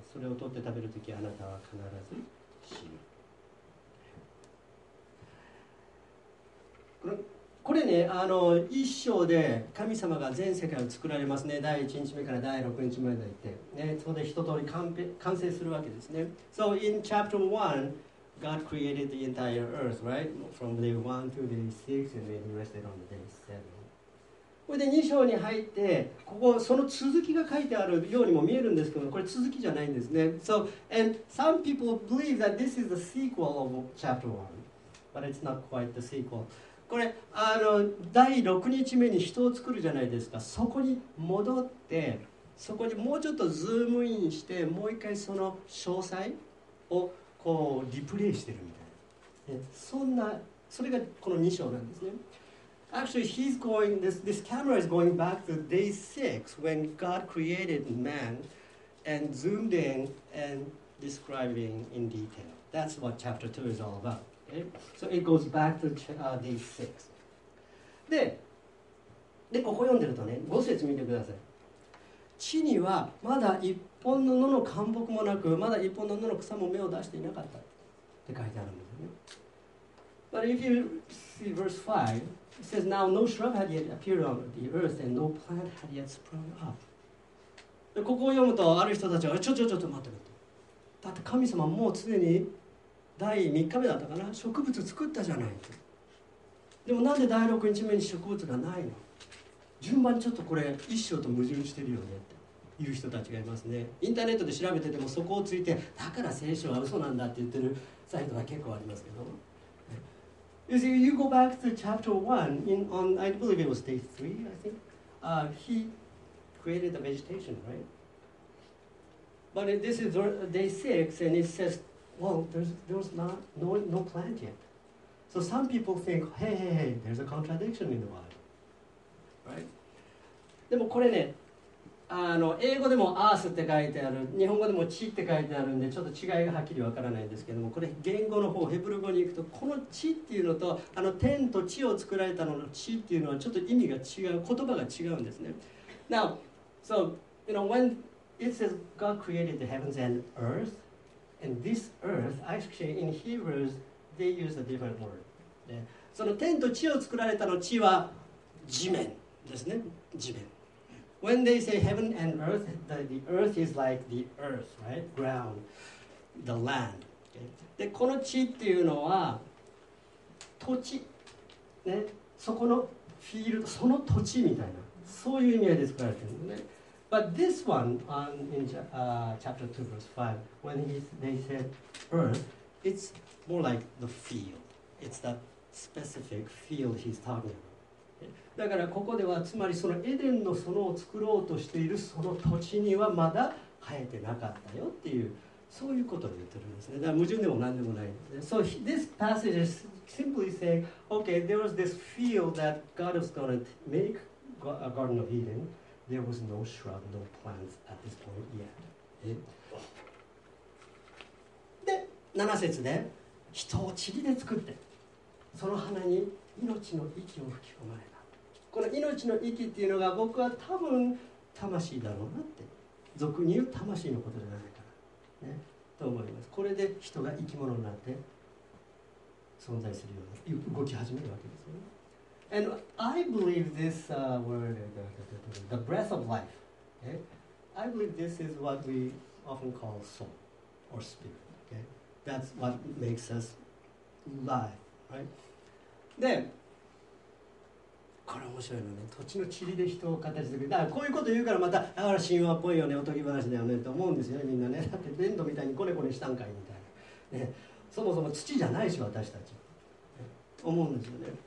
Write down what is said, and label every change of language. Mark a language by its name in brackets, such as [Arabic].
[Japanese] それを取って食べるときあなたは必ず死ぬ。これね、一章で神様が全世界を作られますね。第1日目から第6日目までいって、ね、そこで一通り完成するわけですね。 [English] So in chapter 1, God created the entire earth, right? From day 1 to day 6, and then he rested on the day 7. [Japanese] これで2章に入って、ここその続きが書いてあるようにも見えるんですけど、これ続きじゃないんですね。 [English] So, and some people believe that this is the sequel of chapter 1, but it's not quite the sequel. [Japanese] これ第6日目に人を作るじゃないですか。そこに戻って、そこにもうちょっとズームインして、もう一回その詳細をこうリプレイしてるみたいな、そんな、それがこの2章なんですね。 [English] Actually he's going, this camera is going back to day 6 when God created man and zoomed in and describing in detail. That's what chapter 2 is all aboutSo it goes back to day 6. [Japanese] で、ここ読んでるとね、5節見てください。地にはまだ一本の野の灌木もなく、まだ一本の野の草も芽を出していなかったって書いてあるんですよね。 [English] But if you see verse 5, it says, Now no shrub had yet appeared on the earth, and no plant had yet sprung up. [Japanese] でここを読むと、ある人たちは、ちょっと待って待って。だって神様もう常に第3日目だったかな、植物作ったじゃない。でもなんで第6日目に植物がないの。順番ちょっとこれ一章と矛盾してるよねっていう人たちがいますね。インターネットで調べててもそこをついて、だから聖書は嘘なんだって言ってるサイトが結構ありますけど。 [English] You see, you go back to chapter 1 in, on, I believe it was day 3, I think. He created the vegetation, right? But this is day 6 and it says,Well, there's not no plant yet. So some people think, hey, there's a contradiction in the Bible, right? [Japanese] でもこれね、英語でも Earth って書いてある、日本語でも地って書いてあるんで、ちょっと違いがはっきりわからないんですけども、これ言語の方、ヘブル語に行くと、この地っていうのと、天と地を作られたのの地っていうのはちょっと意味が違う、言葉が違うんですね。 [English] Now, so, you know, when it says God created the heavens and earth,And this earth, actually in Hebrews, they use a different word.、 [Japanese] ね、その天と地を作られたの地は地面ですね。地面。 [English] When they say heaven and earth, the earth is like the earth, right? Ground, the land.、Okay? [Japanese] で、この地っていうのは土地、ね。そこのフィールド、その土地みたいな。そういう意味で作られてるのね。 [English] But this one, chapter 2, verse 5, when they said earth, it's more like the field. It's that specific field he's talking about. [Japanese] だからここでは、つまりそのエデンの園を作ろうとしているその土地にはまだ生えてなかったよっていう、そういうことを言ってるんですね。だから矛盾でも何でもない。 [English] So this passage is simply saying, okay, there was this field that God was going to make a Garden of Eden. There was no shrub, no plants at this point yet. [Japanese] で、7節で、人を塵で作って。その花に命の息を吹き込まれた。この命の息っていうのが僕は多分魂だろうなって俗に言う魂のことじゃないかな、ね、と思います。これで人が生き物になって存在するような動き始めるわけですよね。 [English] And I believe this word, the breath of life、okay? I believe this is what we often call soul or spirit、okay? That's what makes us live、right? [Japanese] でこれ面白いのね、土地の塵で人を形作る。だからこういうこと言うからまた、あら神話っぽいよね、おとぎ話だよねと思うんですよね、みんなね。だって粘土みたいにコネコネしたんかいみたいな、ね、そもそも土じゃないし私たち、ね、思うんですよね。